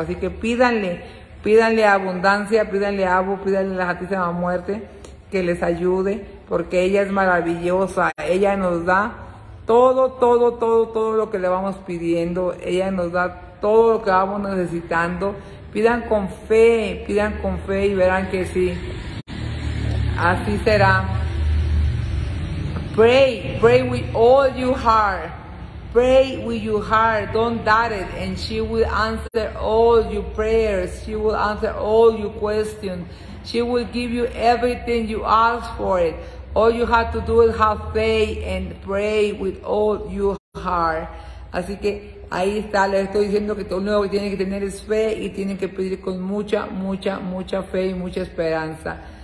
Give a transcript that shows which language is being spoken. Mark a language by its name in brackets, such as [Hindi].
[Spanish] Así que pídanle Abundancia, pídanle Abu, pídanle la Santísima Muerte que les ayude, porque ella es maravillosa, ella nos da todo lo que le vamos pidiendo, ella nos da todo lo que vamos necesitando. Pidan con fe y verán que sí, así será. [English] Pray with all your heart. Pray with your heart. Don't doubt it. And she will answer all your prayers. She will answer all your questions. She will give you everything you ask for it. All you have to do is have faith and pray with all your heart. [Spanish] Así que ahí está, les estoy diciendo que todo lo que tienen que tener es fe y tienen que pedir con mucha, mucha, mucha fe y mucha esperanza.